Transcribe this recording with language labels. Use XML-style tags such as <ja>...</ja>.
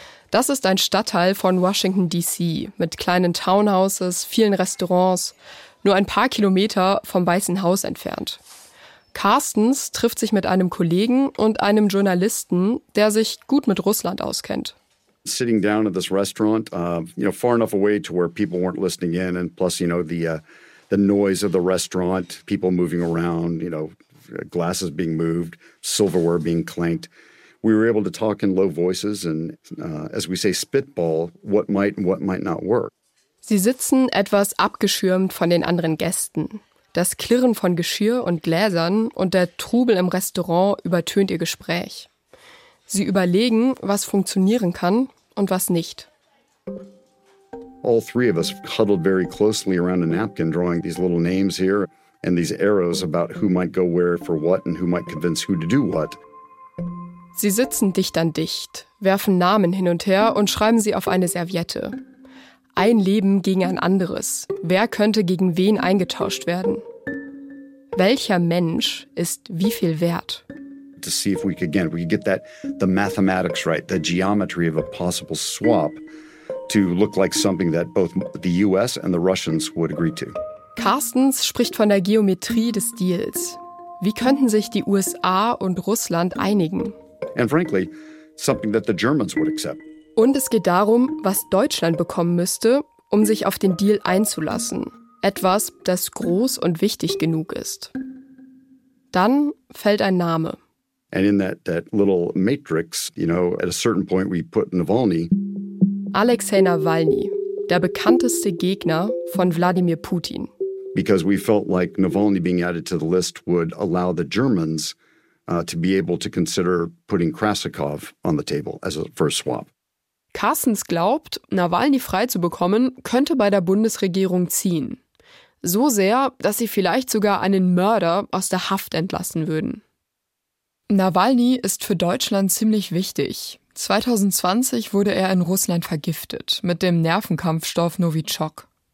<de>Das ist ein Stadtteil von Washington, D.C., mit kleinen Townhouses, vielen Restaurants, nur ein paar Kilometer vom Weißen Haus entfernt. Carstens trifft sich mit einem Kollegen und einem Journalisten, der sich gut mit Russland auskennt.</de> <en>Sitting down at this restaurant, far enough away to where people weren't listening in, and plus, the noise of the restaurant, people moving around, glasses being moved, silverware being clanked. We were able to talk in low voices and, as we say, spitball what might and what might not work.</en> <de>Sie sitzen etwas abgeschirmt von den anderen Gästen. Das Klirren von Geschirr und Gläsern und der Trubel im Restaurant übertönt ihr Gespräch. Sie überlegen, was funktionieren kann und was nicht.</de> <en>All three of us huddled very closely around a napkin, drawing these little names here. And these arrows about who might go where for what and who might convince who to do what.</en> <de>Sie sitzen dicht an dicht, werfen Namen hin und her und schreiben sie auf eine Serviette. Ein Leben gegen ein anderes. Wer könnte gegen wen eingetauscht werden? Welcher Mensch ist wie viel wert?</de> <en>To see if we could get that the mathematics right, the geometry of a possible swap to look like something that both the US and the Russians would agree to.</en> <de>Carstens spricht von der Geometrie des Deals. Wie könnten sich die USA und Russland einigen?</de> <en>And frankly, something that the Germans would accept.</en> <de>Und es geht darum, was Deutschland bekommen müsste, um sich auf den Deal einzulassen. Etwas, das groß und wichtig genug ist. Dann fällt ein Name.</de> <en>And in that little matrix, at a certain point we put Navalny.</en> <de>Alexei Navalny, der bekannteste Gegner von Wladimir Putin.</de> <en>Because we felt like Navalny being added to the list would allow the Germans to be able to consider putting Krasikov on the table as a first swap.</en> <de>Carstens glaubt, Navalny frei zu bekommen, könnte bei der Bundesregierung ziehen. So sehr, dass sie vielleicht sogar einen Mörder aus der Haft entlassen würden. Navalny ist für Deutschland ziemlich wichtig. 2020 wurde er in Russland vergiftet mit dem Nervenkampfstoff Novichok.</de>